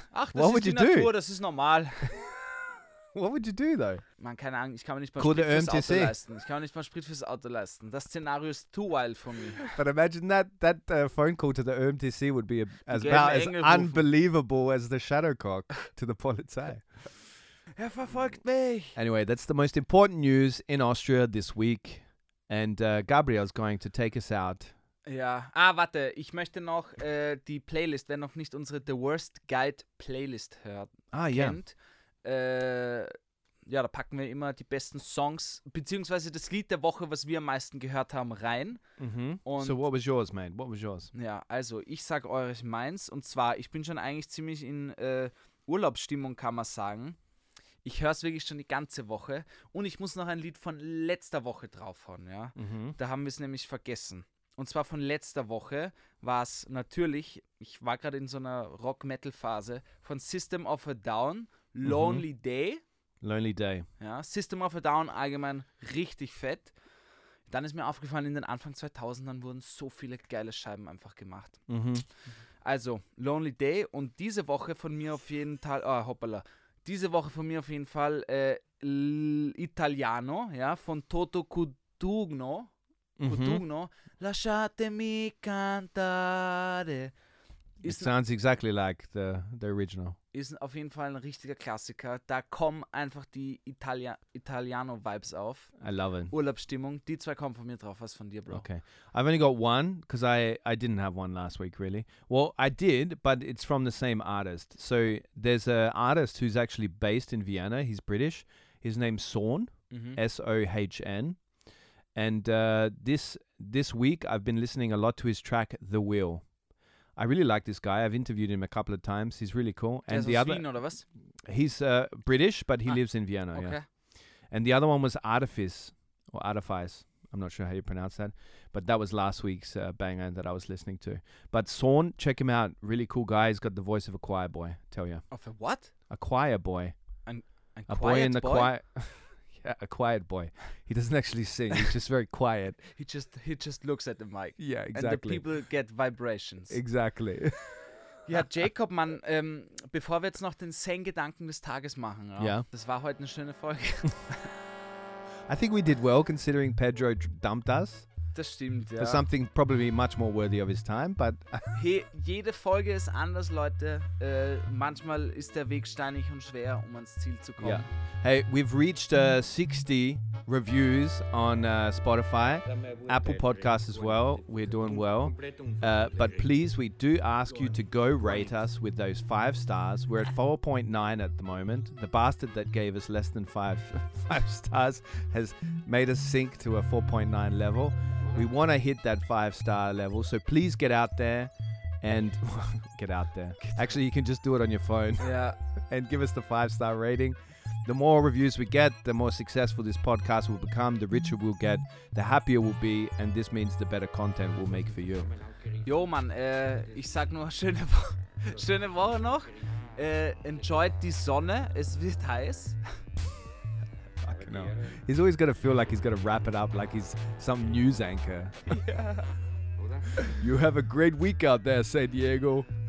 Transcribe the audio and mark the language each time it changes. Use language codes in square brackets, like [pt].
[de] Ach, das ist die Natur, das ist normal. [en] What would you do though? [de] Man, keine Ahnung, ich kann mir nicht mal Sprit fürs Auto leisten. Ich kann mir nicht mal Sprit fürs Auto leisten. Das Szenario ist [en] too wild for me. But imagine that phone call to the ÖMTC would be as unbelievable as the Shadowcock to the Polizei. [de] Er verfolgt mich. [en] Anyway, that's the most important news in Austria this week. And Gabriel is going to take us out. [de] Ja. Ah, warte. Ich möchte noch die Playlist, wer noch nicht unsere The Worst Guide Playlist hört, kennt. Ja, da packen wir immer die besten Songs beziehungsweise das Lied der Woche, was wir am meisten gehört haben, rein. Mm-hmm. Und so, [en] what was yours, man? What was yours? [de] Ja, also, ich sag euch meins. Und zwar, ich bin schon eigentlich ziemlich in Urlaubsstimmung, kann man sagen. Ich höre es wirklich schon die ganze Woche. Und ich muss noch ein Lied von letzter Woche draufhauen, ja. Mm-hmm. Da haben wir es nämlich vergessen. Und zwar von letzter Woche war es natürlich, ich war gerade in so einer Rock-Metal-Phase, von System of a Down, Lonely Day. Lonely Day. Ja, System of a Down allgemein richtig fett. Dann ist mir aufgefallen, in den Anfang 2000ern wurden so viele geile Scheiben einfach gemacht. Mhm. Also, Lonely Day und diese Woche von mir auf jeden Fall, diese Woche von mir auf jeden Fall Italiano, ja, von Toto Cutugno. [it] Cutugno. Lasciatemi cantare. [en] It sounds exactly like the original. [de] Ist auf jeden Fall ein richtiger Klassiker. Da kommen einfach die Italiano-Vibes auf. [en] I love it. [de] Urlaubsstimmung. Die zwei kommen von mir drauf. Was von dir, Bro? [en] Okay. I've only got one, because I didn't have one last week, really. Well, I did, but it's from the same artist. So there's an artist who's actually based in Vienna. He's British. His name's Sohn. Mm-hmm. S-O-H-N. And this week, I've been listening a lot to his track, The Wheel. I really like this guy. I've interviewed him a couple of times. He's really cool. And the other, Wien, [de] oder was? [en] He's British, but he lives in Vienna. Okay. Yeah. And the other one was Artifice. I'm not sure how you pronounce that. But that was last week's banger that I was listening to. But Sorn, check him out. Really cool guy. He's got the voice of a choir boy, I tell you. Of a what? A choir boy. A boy in the choir. Yeah, a quiet boy. He doesn't actually sing. He's just very quiet. he just looks at the mic. Yeah, exactly. And the people get vibrations. Exactly. [de] Ja, Jacob, Mann, bevor wir jetzt noch den Zen-Gedanken des Tages machen, ja, yeah, das war heute eine schöne Folge. [en] I think we did well considering Pedro dumped us. [de] Das stimmt, ja. [en] For something probably much more worthy of his time, but... [de] Hey, jede Folge ist anders, Leute. Manchmal ist der Weg steinig und schwer, um ans Ziel zu kommen. Yeah. [en] Hey, we've reached 60 reviews on Spotify, Apple Podcasts as well. We're doing well. But please, we do ask you to go rate us with those 5 stars. We're at 4.9 at the moment. The bastard that gave us less than 5 stars has made us sink to a 4.9 level. We want to hit that 5-star level, so please get out there and get out there. Actually, you can just do it on your phone. Yeah. And give us the 5-star rating. The more reviews we get, the more successful this podcast will become, the richer we'll get, the happier we'll be, and this means the better content we'll make for you. [de] Yo, man, ich sag nur schöne Woche noch. Enjoyed die Sonne, es wird heiß. [en] Fucking hell. He's always going to feel like he's going to wrap it up like he's some news anchor. Yeah. You have a great week out there, San Diego.